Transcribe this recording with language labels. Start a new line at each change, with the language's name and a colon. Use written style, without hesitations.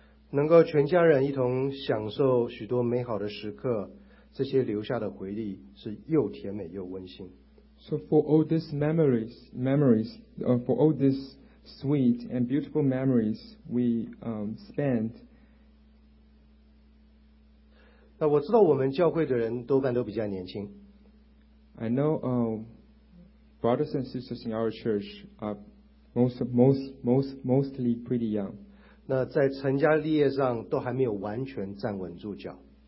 Chinese: 能够全家人一同享受许多美好的时刻这些留下的回忆是又甜美又温馨。
English: So for all these memories, for all these sweet and beautiful memories we spend,
Chinese: 那我知道我们教会的人多半都比较年轻。
English: I know brothers and sisters in our church are mostly pretty young.
Chinese: 那在成家立业上都还没有完全站稳住脚。